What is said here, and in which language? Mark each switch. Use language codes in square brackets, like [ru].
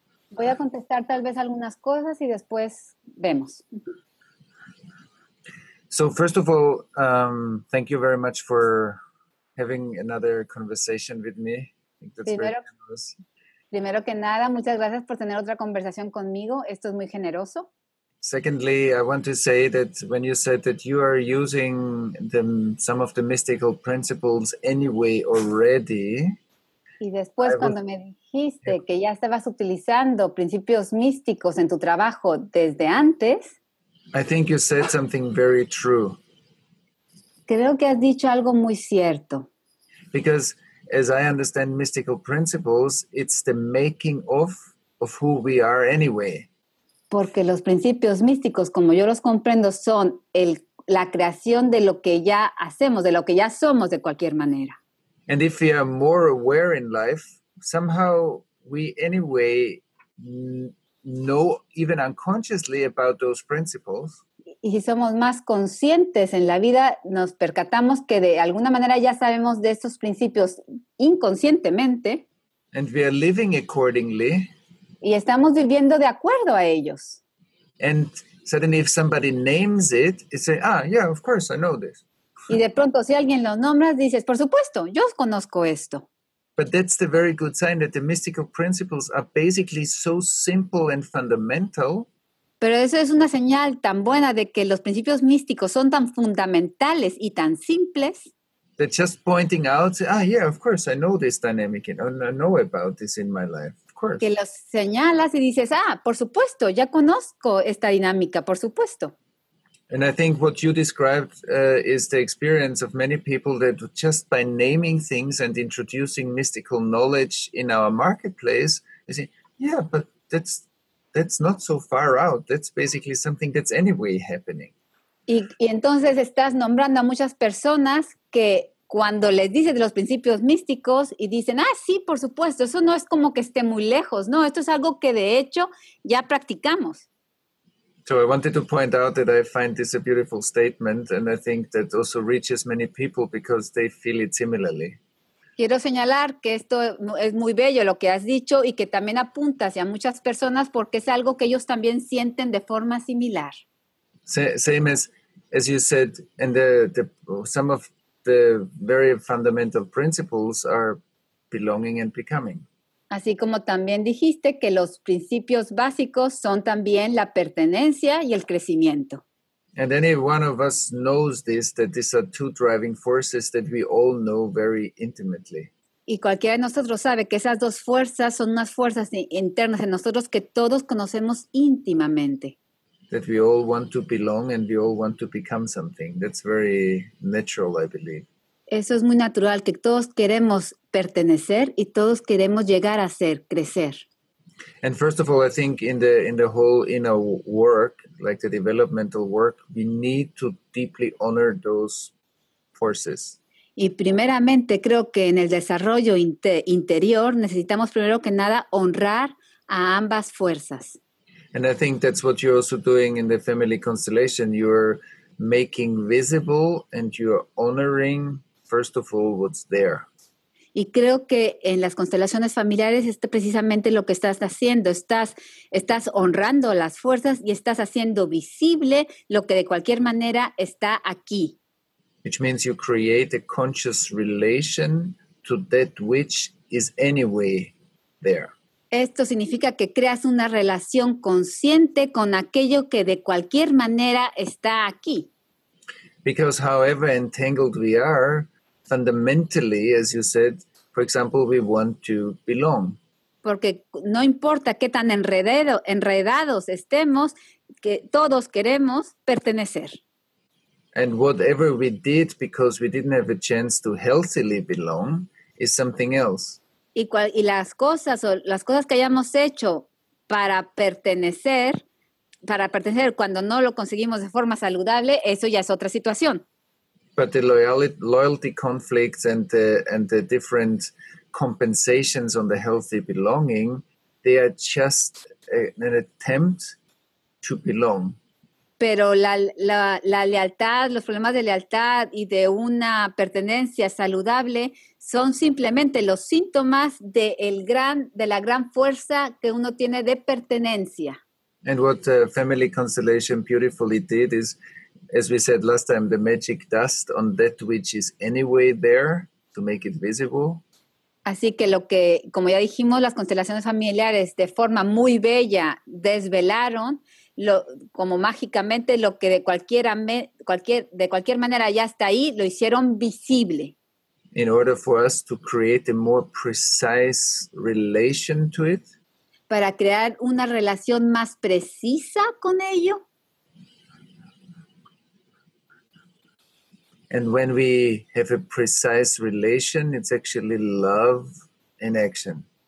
[es] voy a contestar tal vez algunas cosas y después vemos. [en] So first of all, thank you very much for having another conversation with me. I think that's [es] primero, [en] very generous. [es] Primero que nada, muchas gracias por tener otra conversación conmigo. Esto es muy generoso. [en] Secondly, I want to say that when you said that you are using some of the mystical principles anyway already. [es] Y después cuando me dijiste que ya estabas utilizando principios místicos en tu trabajo desde antes. [en] I think you said something very true. [es] Creo que has dicho algo muy cierto. [en] Because as I understand mystical principles, it's the making of who we are anyway. [es] Porque los principios místicos, como yo los comprendo, son la creación de lo que ya hacemos, de lo que ya somos de cualquier manera. [en] And if we are more aware in life, somehow we anyway know even unconsciously about those principles. [es] Y si somos más conscientes en la vida, nos percatamos que de alguna manera ya sabemos de estos principios inconscientemente. [en] And we are living accordingly. [es] Y estamos viviendo de acuerdo a ellos. [en] And suddenly if somebody names it, you say, ah, yeah, of course, I know this. [es] Y de pronto si alguien lo nombra, dices, por supuesto, yo conozco esto. [en] But that's the very good sign that the mystical principles are basically so simple and fundamental. [es] Pero eso es una señal tan buena de que los principios místicos son tan fundamentales y tan simples. [en] That just pointing out, yeah, of course, I know this dynamic and I know about this in my life, of course. [es] Que los señalas y dices, por supuesto, ya conozco esta dinámica, por supuesto. [en] And I think what you described is the experience of many people that just by naming things and introducing mystical knowledge in our marketplace, you say, yeah, but that's not so far out. That's basically something that's anyway happening. [es] Y entonces estás nombrando a muchas personas que cuando les dices de los principios místicos y dicen, sí, por supuesto, eso no es como que esté muy lejos. No, esto es algo que de hecho ya practicamos. [en] So I wanted to point out that I find this a beautiful statement and I think that also reaches many people because they feel it similarly. [es] Quiero señalar que esto es muy bello lo que has dicho y que también apunta hacia muchas personas porque es algo que ellos también sienten de forma similar. [en] Same as you said, and some of the very fundamental principles are belonging and becoming. [es] Así como también dijiste que los principios básicos son también la pertenencia y el crecimiento. [en] And any one of us knows this, that these are two driving forces that we all know very intimately. [es] Y cualquiera de nosotros sabe que esas dos fuerzas son unas fuerzas internas en nosotros que todos conocemos íntimamente. [en] That we all want to belong and we all want to become something. That's very natural, I believe. [es] Eso es muy natural, que todos queremos pertenecer y todos queremos llegar a ser, crecer. [en] And first of all, I think in the whole inner work, like the developmental work, we need to deeply honor those forces. [es] Y primeramente creo que en el desarrollo interior necesitamos primero que nada honrar a ambas fuerzas. [en] And I think that's what you're also doing in the family constellation. You're making visible and you're honoring, first of all, what's there. [es] Y creo que en las constelaciones familiares es precisamente lo que estás haciendo. Estás honrando las fuerzas y estás haciendo visible lo que de cualquier manera está aquí. [en] Which means you create a conscious relation to that which is anyway there. [es] Esto significa que creas una relación consciente con aquello que de cualquier manera está aquí. [en] Because however entangled we are, fundamentally, as you said, for example, we want to belong. [es] Porque no importa qué tan enredados estemos, que todos queremos pertenecer. [en] And whatever we did because we didn't have a chance to healthily belong is something else. [es] Y las cosas o las cosas que hayamos hecho para pertenecer cuando no lo conseguimos de forma saludable, eso ya es otra situación. [en] But the loyalty conflicts and the different compensations on the healthy belonging, they are just an attempt to belong. [es] Pero la lealtad, los problemas de lealtad y de una pertenencia saludable son simplemente los síntomas de la gran fuerza que uno tiene de pertenencia. [en] And what Family Constellation beautifully did is, as we said last time, the magic dust on that which is anyway there to make it visible. [es] Así que lo que, como ya dijimos, las constelaciones familiares de forma muy bella desvelaron como mágicamente lo que de cualquier manera ya está ahí, lo hicieron visible. [en] In order for us to create a more precise relation to it. [es] Para crear una relación más precisa con ello. [en] And when we have a precise relation, it's actually love in action.